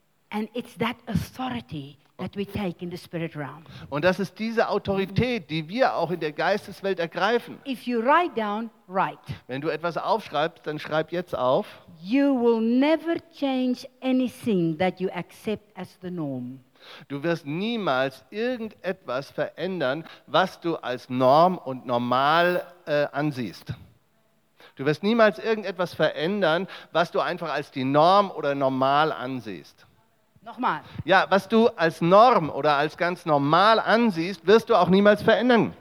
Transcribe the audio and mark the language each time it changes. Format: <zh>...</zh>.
<en>And it's that authority that we take in the spirit realm.</en> <de>Und das ist diese Autorität, die wir auch in der Geisteswelt ergreifen.</de> <en>If you write down, write.</en> <de>Wenn du etwas aufschreibst, dann schreib jetzt auf.</de> <en>You will never change anything that you accept as the norm.</en> <de>Du wirst niemals irgendetwas verändern, was du als Norm und normal ansiehst. Du wirst niemals irgendetwas verändern, was du einfach als die Norm oder normal ansiehst. Nochmal. Ja, was du als Norm oder als ganz normal ansiehst, wirst du auch niemals verändern.</de>